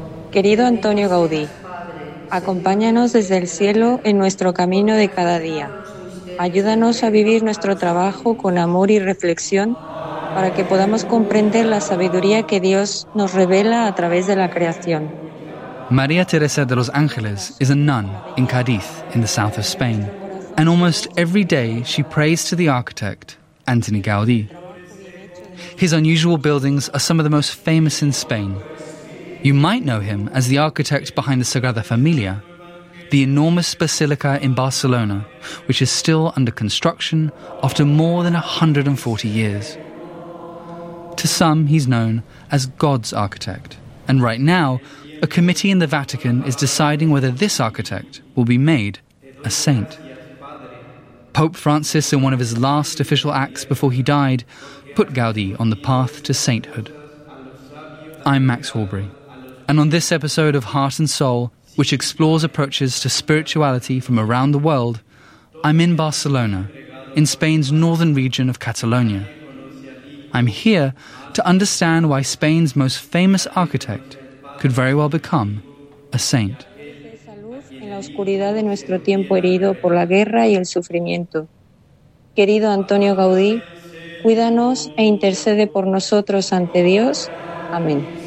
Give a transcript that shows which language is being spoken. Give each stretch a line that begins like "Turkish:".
Spanish: Querido Antonio Gaudí, acompáñanos desde el cielo en nuestro camino de cada día. Ayúdanos a vivir nuestro trabajo con amor y reflexión para que podamos comprender la sabiduría que Dios nos revela a través de la creación.
English: María Teresa de los Ángeles is a nun in Cádiz, in the south of Spain. And almost every day she prays to the architect, Antoni Gaudí. His unusual buildings are some of the most famous in Spain. You might know him as the architect behind the Sagrada Familia, the enormous basilica in Barcelona, which is still under construction after more than 140 years. To some, he's known as God's architect. And right now, a committee in the Vatican is deciding whether this architect will be made a saint. Pope Francis, in one of his last official acts before he died, put Gaudí on the path to sainthood. I'm Max Horbury. And on this episode of Heart and Soul, which explores approaches to spirituality from around the world, I'm in Barcelona, in Spain's northern region of Catalonia. I'm here to understand why Spain's most famous architect could very well become a saint.
Spanish: En la oscuridad de nuestro tiempo herido por la guerra y el sufrimiento. Querido Antonio Gaudí, cuídanos e intercede por nosotros ante Dios. Amén.